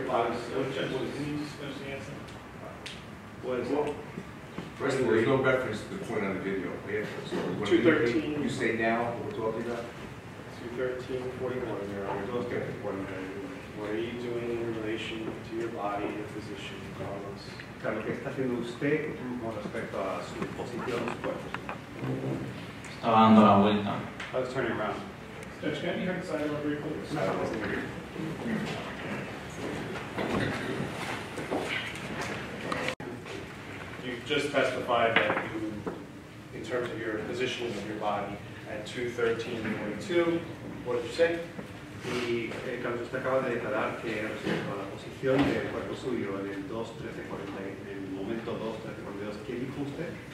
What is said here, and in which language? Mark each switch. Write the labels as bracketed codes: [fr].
[en] First of all, there's no reference to the point on the video. We have, so 213. You say now, we're talking about? 213-41, Your Honor. Okay. What are you doing in relation to your body and position, Carlos? [es] ¿Qué está haciendo usted con respecto a su posición, su cuerpo? Estaba dando la vuelta. [en] I was turning around. Judge, can you have the side over here, please? No, I wasn't here. You've just testified that you, in terms of your position of your body, at 213.2, what did you say? [es] Y Carlos, usted acaba de declarar que respecto a la posición del cuerpo suyo en el 2.13.42, en el momento 2.13.42, ¿qué dijo usted?